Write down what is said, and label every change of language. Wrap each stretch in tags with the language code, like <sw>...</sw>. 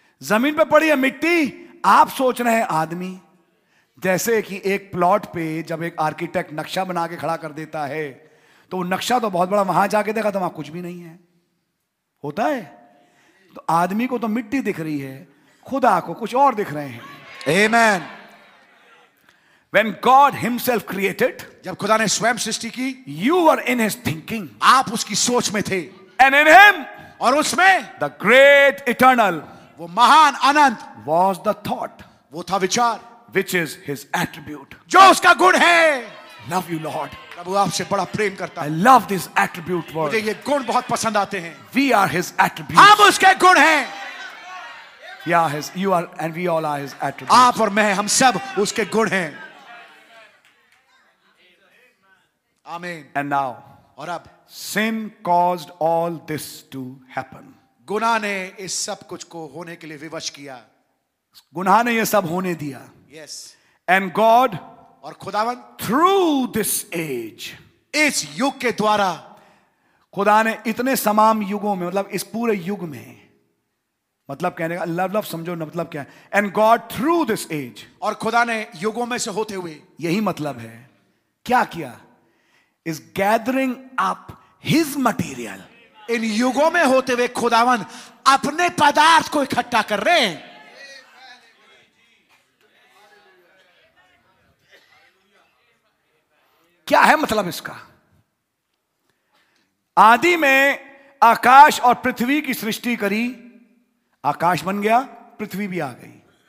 <hi>जमीन पे पड़ी है मिट्टी. आप सोच रहे हैं आदमी, जैसे कि एक प्लॉट पे जब एक आर्किटेक्ट नक्शा बना के खड़ा कर देता है तो वो नक्शा तो बहुत बड़ा, वहां जाके देखा तो वहां कुछ भी नहीं है, होता है. तो आदमी को तो मिट्टी दिख रही है, खुदा को कुछ और दिख रहे हैं. आमीन.</hi> <en>When God Himself created,</en> <hi>जब खुदा ने स्वयं सृष्टि की,</hi> <en>you were in His thinking,</en> <hi>आप उसकी सोच में थे.</hi> <en>And in Him,</en> <hi>और उसमें,</hi> <en>the great eternal,</en> <hi>वो महान अनंत,</hi> <en>was the thought,</en> <hi>वो था विचार,</hi> <en>which is His attribute,</en> <hi>जो उसका गुण है.</hi> <en>Love you, Lord.</en> <hi>प्रभु आपसे बड़ा प्रेम करता.</hi> <en>I love this attribute word.</en> <hi>मुझे ये गुण बहुत पसंद आते हैं.</hi> <en>We are His attribute.</en> <hi>हम उसके गुण हैं.</hi> <en>Yeah, His. You are, and we all are His attribute.</en> <hi>आप और मैं, हम सब उसके गुण हैं.</hi> <en>Amen. And now,</en> <hi>और अब,</hi> <en>sin caused all this to happen.</en> <hi>गुनाह ने इस सब कुछ को होने के लिए विवश किया. गुनाह ने ये सब होने दिया.</hi> <en>Yes. And God,</en> <hi>और खुदावन,</hi> <en>through this age,</en> <hi>इस युग के द्वारा, खुदा ने इतने समाम युगों में, मतलब इस पूरे युग में, मतलब कहने का लव लव समझो ना, मतलब क्या है.</hi> <en>and God through this age,</en> <hi>और खुदा ने युगों में से होते हुए, यही मतलब है. क्या किया?</hi> <en>Is gathering up his material.</en> <hi>इन युगों में होते हुए खुदावन अपने पदार्थ को इकट्ठा कर रहे हैं. क्या है मतलब इसका? आदि में आकाश और पृथ्वी की सृष्टि करी, आकाश बन गया, पृथ्वी भी आ गई.</hi>